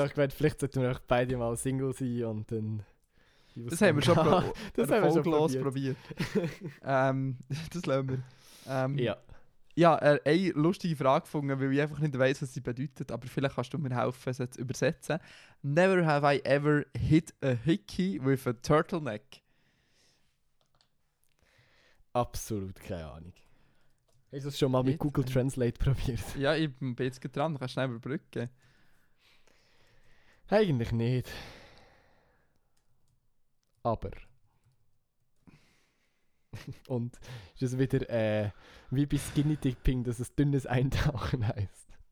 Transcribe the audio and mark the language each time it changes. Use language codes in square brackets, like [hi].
[de] Also ich meine, vielleicht sollten wir auch beide mal Single sein und dann... Das haben wir schon probiert. das lassen wir. Ja, eine lustige Frage gefunden, weil ich einfach nicht weiss, was sie bedeutet, aber vielleicht kannst du mir helfen, sie zu übersetzen. [en] Never have I ever hit a hickey with a turtleneck. [de] Absolut keine Ahnung. Hast du das schon mal mit Google Translate probiert? Ja, ich bin jetzt gerade dran, du kannst schnell überbrücken. Eigentlich nicht. Aber... Und ist es wieder wie bei Skinny Dipping, dass es dünnes Eintauchen heisst.